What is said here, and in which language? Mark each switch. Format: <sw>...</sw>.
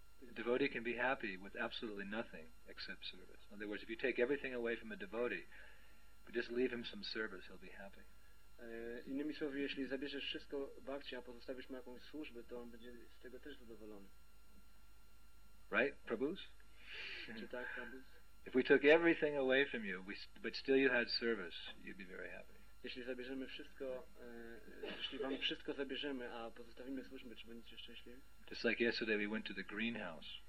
<en>A devotee can be happy with absolutely nothing except service. In other words, if you take everything away from a devotee, but just leave him some service, he'll be happy.</en> <pl>Innymi słowy, jeśli zabierzesz wszystko bhakcie, a pozostawisz mu jakąś służbę, to on będzie z tego też zadowolony.</pl> <en>Right, Prabhus?</en> <pl>Czy tak, Prabhus?</pl> <en>If we took everything away from you, but still you had service, you'd be very happy.</en> <pl>Jeśli zabierzemy wszystko, jeśli wam wszystko zabierzemy, a pozostawimy służbę, czy będziecie szczęśliwi?</pl> <en>Just like yesterday we went to the greenhouse.</en>